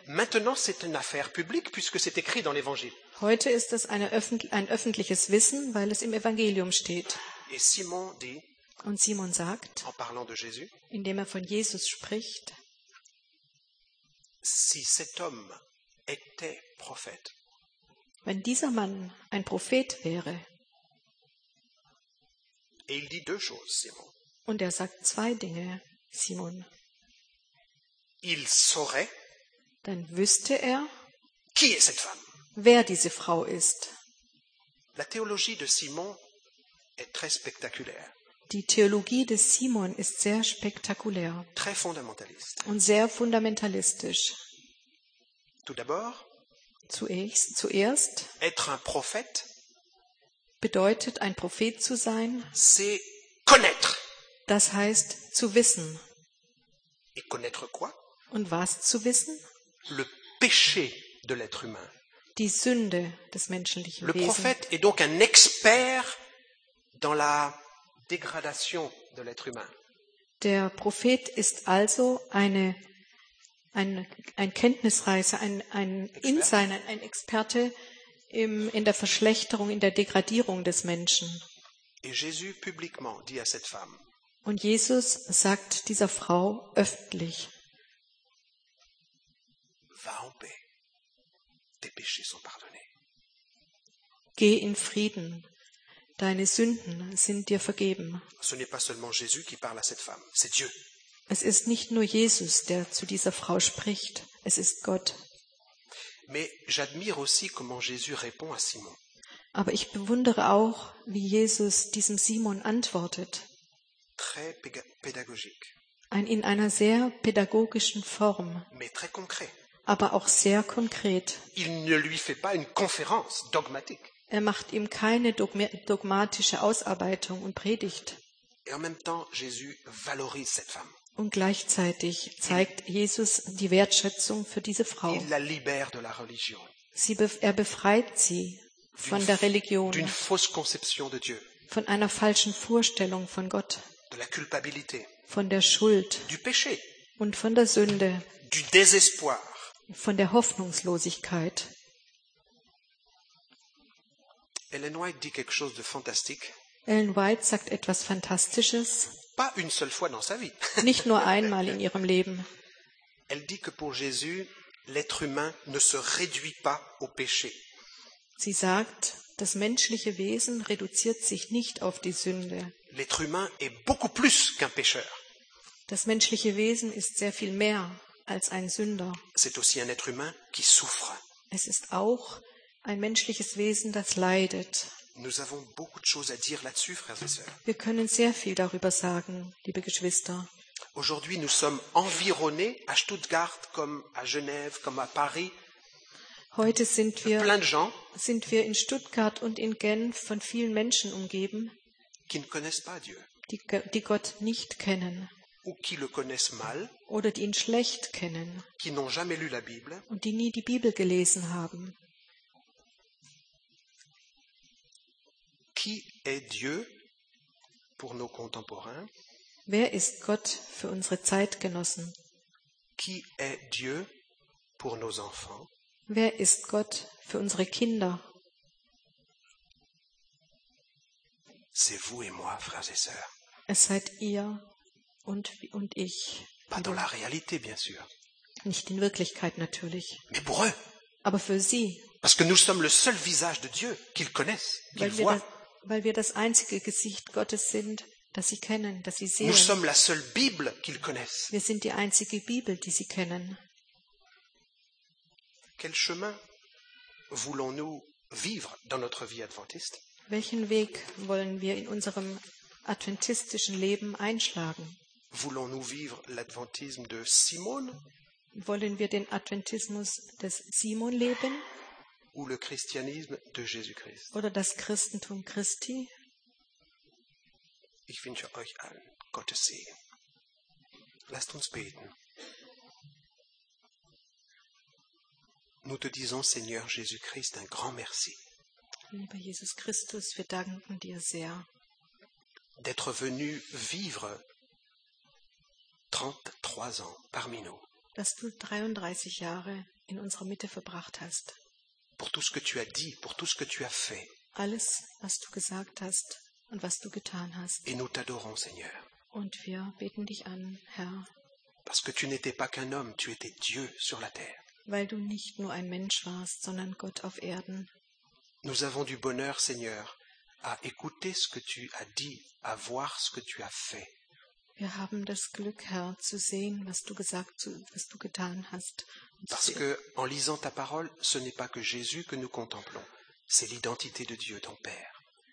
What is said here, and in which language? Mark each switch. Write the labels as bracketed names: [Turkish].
[French] Maintenant, c'est une affaire publique puisque c'est écrit dans l'Évangile. [German] Heute ist es ein öffentliches Wissen, weil es im Evangelium steht. [French] Et Simon dit. [German] Und Simon sagt, [French] en parlant de Jésus, [German] indem er von Jesus spricht, [French] si cet homme était prophète, [German] wenn dieser Mann ein Prophet wäre, [French] et il dit deux choses, Simon, [German] und er sagt zwei Dinge, Simon, [French] il saurait, [German] dann wüsste er, [French] qui est cette femme, [German] wer diese Frau ist. [French] La théologie de Simon est très spectaculaire. [German] Die Theologie des Simon ist sehr spektakulär. [French] Très fondamentalist. [German] Und sehr fundamentalistisch. [French] Tout d'abord, [German] zuerst, [French] être un prophète, [German] bedeutet ein Prophet zu sein, [French] c'est connaître. [German] Das heißt zu wissen. [French] Et connaître quoi? [German] Und was zu wissen? [French] Le péché de l'être humain. [German] Die Sünde des menschlichen Wesens. [French] Le prophète est donc un expert dans la dégradation de l'être humain. [German] Der Prophet ist also ein Kenntnisreise, ein Experte in der Verschlechterung, in der Degradierung des Menschen. [French] Et Jésus publiquement dit à cette femme, [German] und Jesus sagt dieser Frau öffentlich, [French] va en paix, tes péchés sont pardonnés. [German] Geh in Frieden, deine Sünden sind dir vergeben. [French] Ce n'est pas seulement Jésus qui parle à cette femme, c'est Dieu. [German] Es ist nicht nur Jesus, der zu dieser Frau spricht, es ist Gott. [French] Mais j'admire aussi comment Jésus répond à Simon. [German] Aber ich bewundere auch, wie Jesus diesem Simon antwortet. [French] Très pédagogique. [German] In einer sehr pädagogischen Form. [French] Mais très concret. [German] Aber auch sehr konkret. [French] Il ne lui fait pas une conférence dogmatique. [German] Er macht ihm keine dogmatische Ausarbeitung und Predigt. [French] Et en même temps, Jésus valorise cette femme. [German] Und gleichzeitig zeigt Jesus die Wertschätzung für diese Frau. [French] Il la libère de la religion. [German] Er befreit sie von der Religion. [French] D'une fausse conception de Dieu. [German] Von einer falschen Vorstellung von Gott. [French] De la culpabilité. [German] Von der Schuld. [French] Du péché. [German] Und von der Sünde. [French] Du désespoir. [German] Von der Hoffnungslosigkeit. [French] Ellen White dit quelque chose de fantastique. [German] Ellen White sagt etwas Fantastisches. [French] Pas une seule fois dans sa vie. [German] Nicht nur einmal in ihrem Leben. [French] Elle dit que pour Jésus, l'être humain ne se réduit pas au péché. [German] Sie sagt, das menschliche Wesen reduziert sich nicht auf die Sünde. [French] L'être humain est beaucoup plus qu'un pécheur. [German] Das menschliche Wesen ist sehr viel mehr als ein Sünder. [French] C'est aussi un être humain qui souffre. [German] Es ist auch ein menschliches Wesen, das leidet. [French] Nous avons beaucoup de choses à dire là-dessus, frères et sœurs. [German] Wir können sehr viel darüber sagen, liebe Geschwister. [French] Aujourd'hui, nous sommes environnés à Stuttgart, comme à Genève, comme à Paris. [German] Heute sind wir [French] plein de gens, [German] sind wir in Stuttgart und in Genf von vielen Menschen umgeben, [French] qui ne connaissent pas Dieu, [German] die Gott nicht kennen, [French] ou qui le connaissent mal, [German] oder die ihn schlecht kennen, [French] qui n'ont jamais lu la Bible, [German] und die nie die Bibel gelesen haben. [French] Qui est Dieu pour nos contemporains? [German] Wer ist Gott für unsere Zeitgenossen? [French] Qui est Dieu pour nos enfants? [German] Wer ist Gott für unsere Kinder? [French] C'est vous et moi, frères et sœurs. [German] Es seid ihr und ich. [French] Pas dans la réalité, bien sûr. [German] Nicht in Wirklichkeit natürlich. [French] Mais pour eux. [German] Aber für sie. [French] Parce que nous sommes le seul visage de Dieu qu'ils connaissent, qu'ils voient. [German] Weil wir das einzige Gesicht Gottes sind, das sie kennen, das sie sehen. [French] Nous sommes la seule Bible qu'ils connaissent. [German] Wir sind die einzige Bibel, die sie kennen. [French] Quel chemin voulons-nous vivre dans notre vie adventiste? [German] Welchen Weg wollen wir in unserem adventistischen Leben einschlagen? [French] Voulons-nous vivre l'adventisme de Simon? [German] Wollen wir den Adventismus des Simon leben? [French] Ou le christianisme de Jésus-Christ. [German] Oder das Christentum Christi. Ich wünsche euch allen Gottes Segen. Lasst uns beten. [French] Nous te disons, Seigneur Jésus-Christ, un grand merci. [German] Lieber Jesus Christus, wir danken dir sehr. [French] D'être venu vivre 33 ans parmi nous. [German] Dass du 33 Jahre in unserer Mitte verbracht hast. [French] Pour tout ce que tu as dit, pour tout ce que tu as fait. [German] Alles, was du gesagt hast und was du getan hast. [French] Et nous t'adorons, Seigneur. [German] Und wir beten dich an, Herr. [French] Parce que tu n'étais pas qu'un homme, tu étais Dieu sur la terre. [German] Weil du nicht nur ein Mensch warst, sondern Gott auf Erden. [French] Nous avons du bonheur, Seigneur, à écouter ce que tu as dit, à voir ce que tu as fait. [German] Wir haben das Glück, Herr, zu sehen, was du gesagt, was du getan hast. [French] Parce que en lisant ta parole, ce n'est pas que Jésus que nous contemplons, c'est l'identité de Dieu, ton Père.